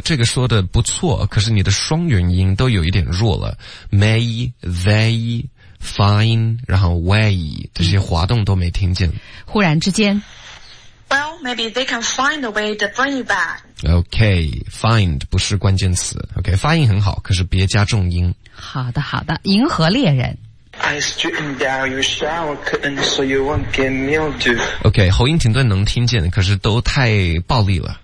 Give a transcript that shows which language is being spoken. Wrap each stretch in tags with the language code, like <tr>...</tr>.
<zh>这个说的不错，可是你的双元音都有一点弱了 ，</zh> <en>may they find，</en> <zh>然后 way 这些滑动都没听见。忽然之间。</zh> <en>Well, maybe they can find a way to bring you back.</en> <zh>OK, find 不是关键词。 OK, 发音很好，可是别加重音。好的，好的。银河猎人。</zh> <en>I straightened out your shower curtain so you won't get mildew.</en> <zh>OK, 喉音停顿能听见，可是都太暴力了。</zh>